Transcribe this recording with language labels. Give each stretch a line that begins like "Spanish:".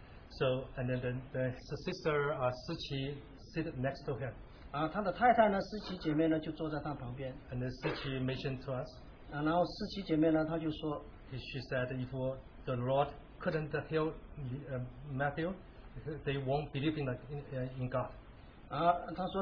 English: So and then the sister Sichi sit next to him.
Chinese: 他的太太呢，思琪姐妹呢就坐在他旁边。
English: And then Sichi mentioned to us.
Chinese: 然后思琪姐妹呢她就说。
English: She said, if the Lord couldn't heal Matthew, they won't believe in God.